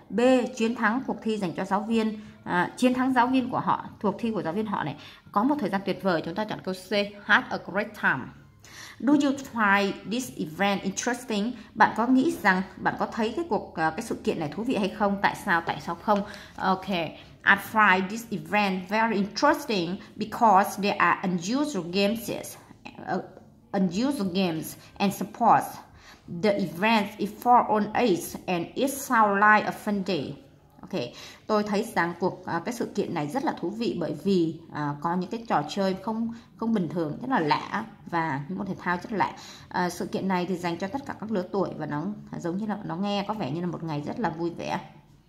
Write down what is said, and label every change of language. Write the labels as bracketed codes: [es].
[vi] B, chiến thắng cuộc thi dành cho giáo viên. Chiến thắng giáo viên của họ, cuộc thi của giáo viên họ này, có một thời gian tuyệt vời. Chúng ta chọn câu C, [en] had a great time. Do you find this event interesting? [vi] Bạn có nghĩ rằng, bạn có thấy cái sự kiện này thú vị hay không? Tại sao không? [en] Ok, I find this event very interesting because there are unusual games and sports. The event is for all ages and it sounds like a fun day. [vi] Okay, tôi thấy rằng cái sự kiện này rất là thú vị bởi vì có những cái trò chơi không bình thường, rất là lạ, và những môn thể thao rất lạ. Sự kiện này thì dành cho tất cả các lứa tuổi và nó giống như là nó nghe có vẻ như là một ngày rất là vui vẻ.